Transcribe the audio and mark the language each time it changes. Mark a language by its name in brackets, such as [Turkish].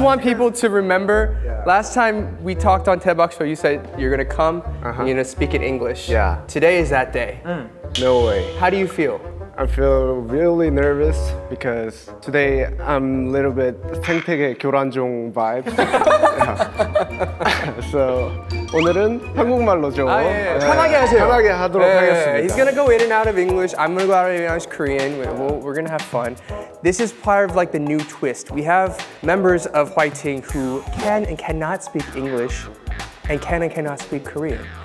[English] want people to remember, last time we talked on TEDx Show, you said you're gonna come and you're gonna speak in English. Yeah. Today is that day. Mm. No way. How do you feel? I feel really nervous because today I'm a little bit [Korean] 생태계 교란종 [English] vibe. [Korean] So, 오늘은 한국말로 좀 편하게 하세요. 편하게 하도록 하겠습니다. [English] He's gonna go in and out of English. I'm gonna go out of English, Korean. We're gonna have fun. This is part of like the new twist. We have members of HWAITING who can and cannot speak English and can and cannot speak Korean.